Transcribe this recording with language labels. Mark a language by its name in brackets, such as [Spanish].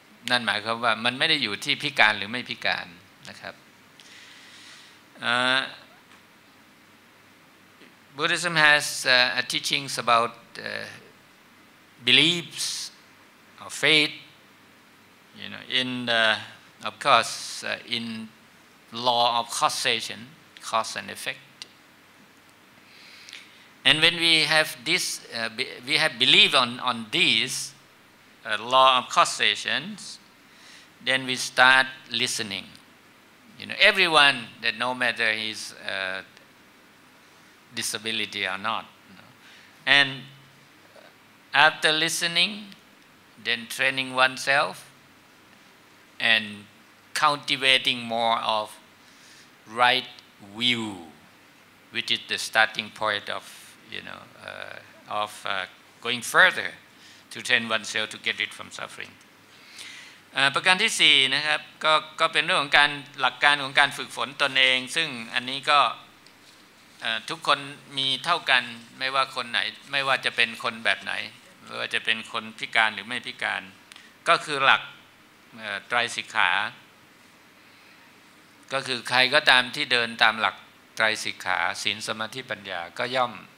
[Thai] นั่นหมายความว่ามันไม่ได้อยู่ที่พิการหรือไม่พิการนะครับ [English] Buddhism has teachings about beliefs or faith, you know, in the, of course, in law of causation, cause and effect. And when we have this, we have belief on these law of causation, then we start listening. You know, everyone, that no matter his disability or not, and after listening, then training oneself and cultivating more of right view, which is the starting point of, you know, of going further to train oneself to get it from suffering. [Thai] ประการที่สี่นะครับก็เป็นเรื่องของการหลักการของการฝึกฝนตนเองซึ่งอันนี้ก็ทุกคนมีเท่ากันไม่ว่าคนไหนไม่ว่าจะเป็นคนแบบไหนไม่ว่าจะเป็นคนพิการหรือไม่พิการก็คือหลักไตรสิกขาก็คือใครก็ตามที่เดินตามหลักไตรสิกขาศีลสมาธิปัญญาก็ย่อม